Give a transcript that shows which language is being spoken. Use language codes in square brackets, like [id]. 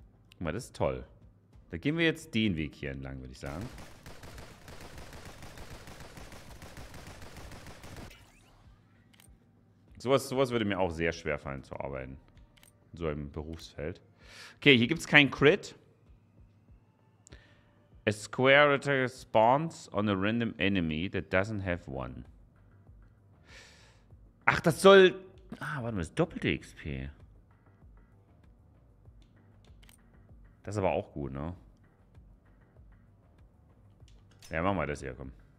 [de] Guck mal, das ist toll. Da gehen wir jetzt den Weg hier entlang, würde ich sagen. Sowas würde mir auch sehr schwer fallen zu arbeiten. In so einem Berufsfeld. Okay, hier gibt es keinen Crit. [en] A square attack spawns on a random enemy that doesn't have one. [de] Ach, das soll... Ah, warte mal, das ist doppelte XP. Das ist aber auch gut, ne? Ja, machen wir das hier, komm.